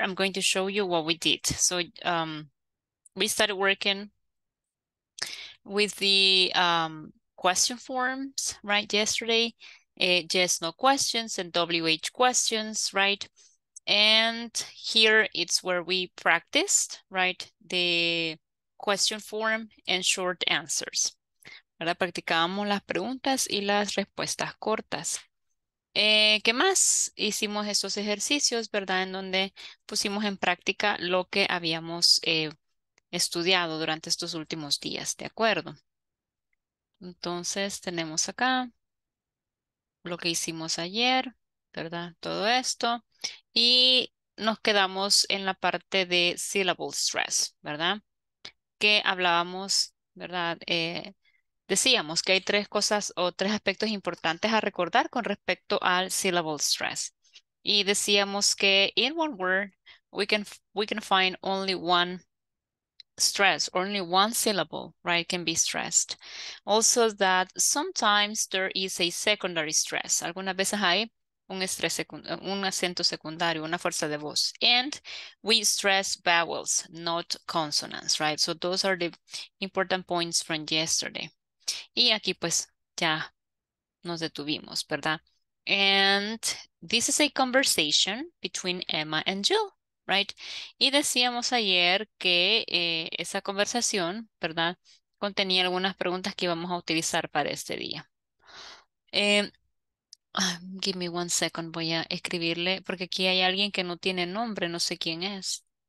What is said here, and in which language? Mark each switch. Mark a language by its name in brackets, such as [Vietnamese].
[English] I'm going to show you what we did. So we started working with the question forms, right, yesterday, yes, no questions and WH questions, right? And here it's where we practiced, right, the question form and short answers. [Spanish] Ahora practicábamos las preguntas y las respuestas cortas. ¿Qué más? Hicimos esos ejercicios, ¿verdad? En donde pusimos en práctica lo que habíamos estudiado durante estos últimos días, ¿de acuerdo? Entonces, tenemos acá lo que hicimos ayer, ¿verdad? Todo esto. Y nos quedamos en la parte de syllable stress, ¿verdad? Que hablábamos, ¿verdad? Decíamos que hay tres cosas o tres aspectos importantes a recordar con respecto al syllable stress. Y decíamos que [English] in one word, we can find only one stress, only one syllable, right, can be stressed. Also that sometimes there is a secondary stress. [Spanish] Algunas veces hay un estrés secundario, un acento secundario, una fuerza de voz. [English] And we stress vowels, not consonants, right? So those are the important points from yesterday. [Spanish] Y aquí pues ya nos detuvimos, ¿verdad? [English] And this is a conversation between Emma and Jill. Right. [Spanish] Y decíamos ayer que esa conversación, ¿verdad?, contenía algunas preguntas que íbamos a utilizar para este día. [English] Give me one second, [Spanish] voy a escribirle, porque aquí hay alguien que no tiene nombre, no sé quién es.